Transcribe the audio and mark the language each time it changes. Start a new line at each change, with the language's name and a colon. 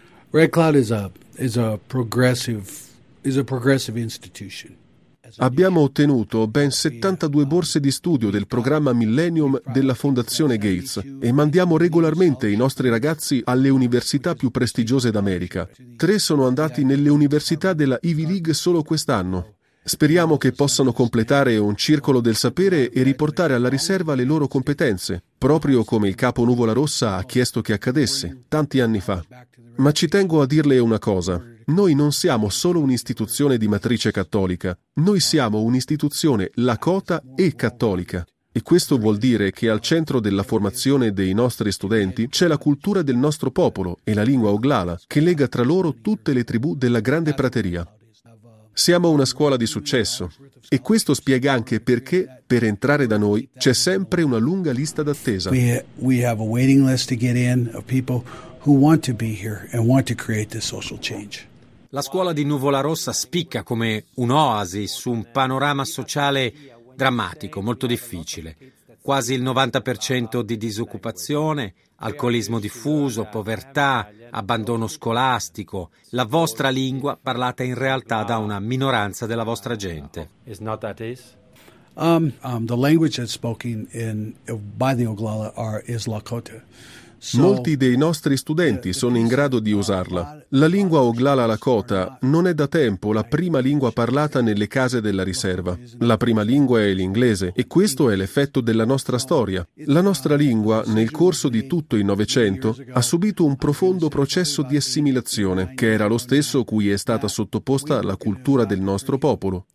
English: Red Cloud is a progressive institution.
Italian: Abbiamo ottenuto ben 72 borse di studio del programma Millennium della Fondazione Gates e mandiamo regolarmente i nostri ragazzi alle università più prestigiose d'America. 3 sono andati nelle università della Ivy League solo quest'anno. Speriamo che possano completare un circolo del sapere e riportare alla riserva le loro competenze, proprio come il capo Nuvola Rossa ha chiesto che accadesse tanti anni fa. Ma ci tengo a dirle una cosa. Noi non siamo solo un'istituzione di matrice cattolica, noi siamo un'istituzione Lakota e cattolica. E questo vuol dire che al centro della formazione dei nostri studenti c'è la cultura del nostro popolo e la lingua Oglala, che lega tra loro tutte le tribù della Grande Prateria. Siamo una scuola di successo. E questo spiega anche perché, per entrare da noi, c'è sempre una lunga lista d'attesa.
English: We have a waiting list to get in of people who want to be here and want to create this social change.
Italian: La scuola di Nuvola Rossa spicca come un'oasi su un panorama sociale drammatico, molto difficile. Quasi il 90% di disoccupazione, alcolismo diffuso, povertà, abbandono scolastico. La vostra lingua parlata in realtà da una minoranza della vostra gente.
English: Is not that is? The language that's spoken in by the Oglala is Lakota.
Italian: Molti dei nostri studenti sono in grado di usarla. La lingua Oglala Lakota non è da tempo la prima lingua parlata nelle case della riserva. La prima lingua è l'inglese e questo è l'effetto della nostra storia. La nostra lingua, nel corso di tutto il Novecento, ha subito un profondo processo di assimilazione, che era lo stesso cui è stata sottoposta la cultura del nostro popolo.